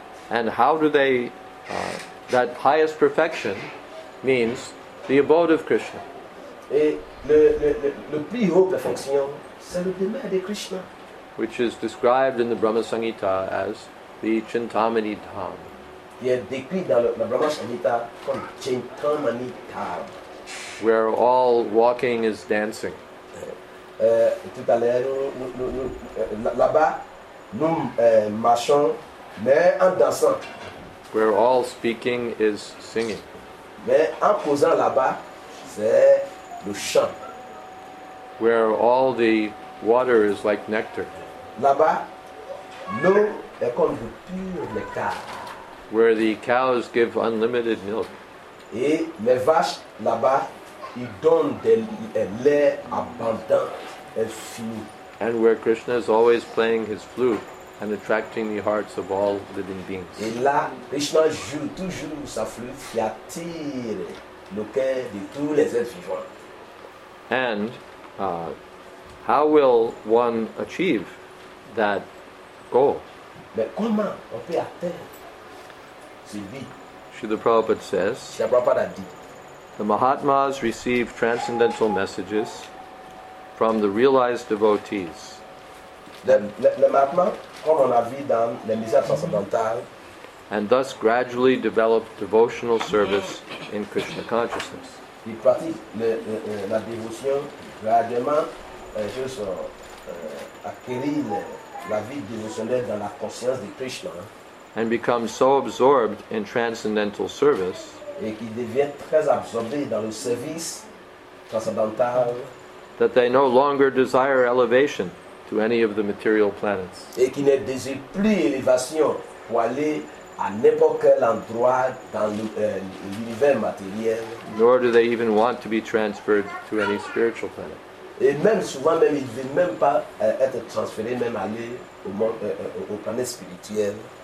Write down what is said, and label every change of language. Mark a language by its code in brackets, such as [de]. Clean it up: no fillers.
[en] And how do they, that highest perfection means the abode of Krishna. [fr] Et le plus haut perfection, c'est le demeure de Krishna. [en] Which is described in the Brahma Sangita as the Chintamani Dham. [fr] Il est décrit dans le Brahma Sangita comme Chintamani Dham. [en] Where all walking is dancing. [fr] Tout à l'heure, nous, là-bas, nous marchons, mais en dansant. [en] Where all speaking is singing. [fr] Mais en posant là-bas, c'est le chant. [en] where all the water is like nectar. [fr] Là-bas, l'eau est comme du pur nectar. [en] Where the cows give unlimited milk. [fr] Et les vaches là-bas, ils donnent des lait abondant, infini. [en] And where Krishna is always playing his flute and attracting the hearts of all living beings. [fr] Et là, Krishna joue toujours sa flûte qui attire le cœur de tous les êtres vivants. [en] And how will one achieve that goal? [fr] Mais comment on peut atteindre ce but? [en] Srila Prabhupada says, the Mahatmas receive transcendental messages from the realized devotees. [fr] Le Mahatma, comme on a vu dans les messages transcendantales, [en] and thus gradually develop devotional service in Krishna consciousness. [fr] Il pratique la dévotion graduellement jusqu'à acquérir la vie dévotionnelle dans la conscience de Krishna. [en] And become so absorbed in transcendental service, [fr] et qui devient très absorbé dans le service transcendantal, [en] that they no longer desire elevation to any of the material planets. [fr] Et qui ne désire plus élévation pour aller à n'importe quel endroit dans l'univers matériel. [en] Nor do they even want to be transferred to any spiritual planet. [fr] Et même souvent même ils veulent même pas être transférés même aller au monde au planète spirituel.